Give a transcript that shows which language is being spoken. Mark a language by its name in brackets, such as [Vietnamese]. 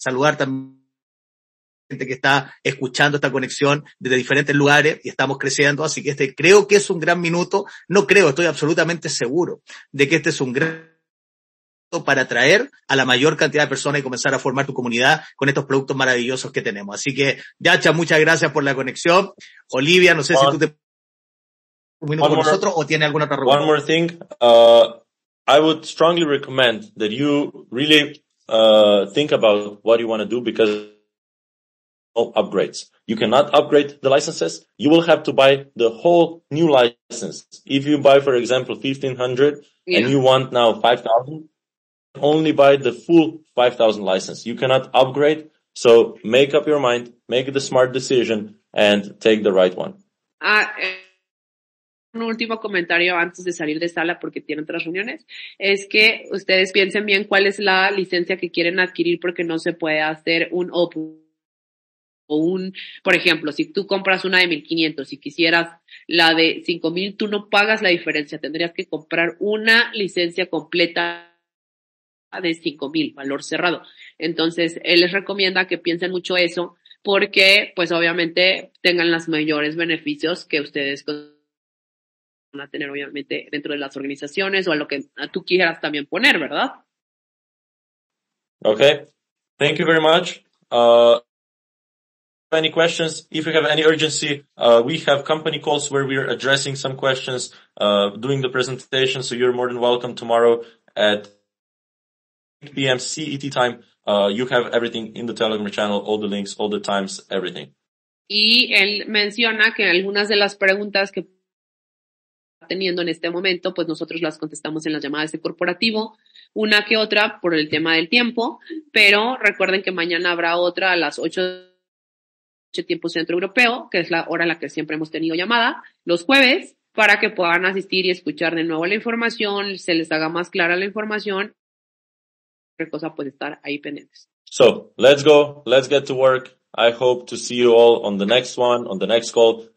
[Spanish] Saludar también gente que está escuchando esta conexión desde diferentes lugares y estamos creciendo, así que este creo que es un gran minuto, no creo, estoy absolutamente seguro de que este es un gran minuto para atraer a la mayor cantidad de personas y comenzar a formar tu comunidad con estos productos maravillosos que tenemos. Así que, Yacha, muchas gracias por la conexión. Olivia, no sé si tú te un minuto con nosotros o tiene alguna otra pregunta. [English] One more thing, I would strongly recommend that you really think about what you want to do because upgrades. You cannot upgrade the licenses. You will have to buy the whole new license. If you buy, for example, 1500 yeah. and you want now 5000, only buy the full 5000 license. You cannot upgrade. So make up your mind, make the smart decision and take the right one. [Spanish] Un último comentario antes de salir de sala porque tienen otras reuniones, es que ustedes piensen bien cuál es la licencia que quieren adquirir porque no se puede hacer un open. O un, por ejemplo, si tú compras una de 1500 y quisieras la de 5000, tú no pagas la diferencia. Tendrías que comprar una licencia completa de 5000, valor cerrado. Entonces, él les recomienda que piensen mucho eso porque, pues obviamente, tengan los mayores beneficios que ustedes van a tener, obviamente, dentro de las organizaciones o a lo que tú quieras también poner, ¿verdad? [English] Okay. Thank you very much. Any questions? If you have any urgency, we have company calls where we are addressing some questions, doing the presentation. So you're more than welcome tomorrow at 8 p.m. CET time. You have everything in the Telegram channel, all the links, all the times, everything. [Spanish] Y él menciona que algunas de las preguntas que está teniendo en este momento, pues nosotros las contestamos en las llamadas de corporativo. Una que otra por el tema del tiempo, pero recuerden que mañana habrá otra a las 8 tiempo centro europeo, que es la hora en la que siempre hemos tenido llamada, los jueves, para que puedan asistir y escuchar de nuevo la información, se les haga más clara la información, otra cosa puede estar ahí pendientes. [English] So, let's go, let's get to work. I hope to see you all on the next one, on the next call.